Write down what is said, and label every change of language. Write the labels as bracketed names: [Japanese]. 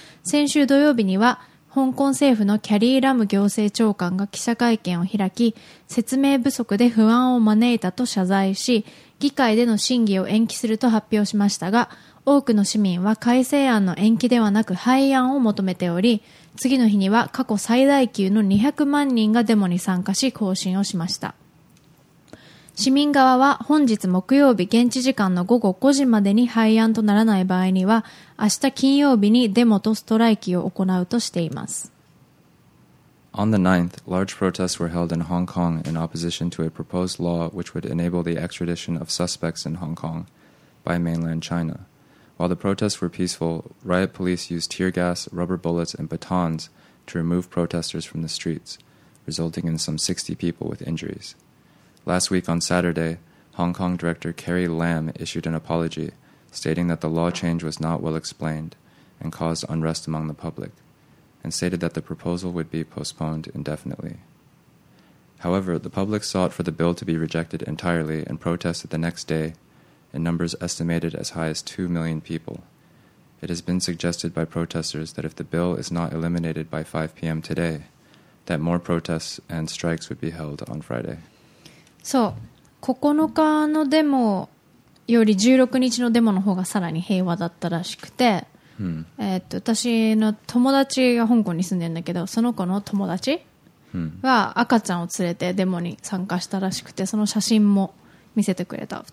[Japanese] 先週土曜日には、香港政府のキャリー・ラム行政長官が記者会見を開き、説明不足で不安を招いたと謝罪し、議会での審議を延期すると発表しましたが、多くの市民は改正案の延期ではなく廃案を求めており、次の日には過去最大級の200万人がデモに参加し行進をしました。市民側は本日木曜日現地時間の午後5時までに廃案とならない場合には、明日金曜日にデモとストライキを行うとしています。 [English] On the 9th, large protests were held in Hong Kong in opposition to a proposed law which would enable the extradition of suspects in Hong Kong by mainland ChinaWhile the protests were peaceful, riot police used tear gas, rubber bullets, and batons to remove protesters from the streets, resulting in some 60 people with injuries. Last week on Saturday, Hong Kong Director Carrie Lam issued an apology, stating that the law change was not well explained and caused unrest among the public, and stated that the proposal would be postponed indefinitely. However, the public sought for the bill to be rejected entirely and protested the next day,in numbers estimated as high as 2 million people. It has been suggested by protesters that if the bill is not eliminated by 5 p.m. today, that more protests and strikes would be held on Friday. [Japanese] そう、9日のデモより16日のデモの方がさらに平和だったらしくて、私の友達が香港に住んでるんだけど、その子の友達は赤ちゃんを連れてデモに参加したらしくて、その写真も見せてくれた。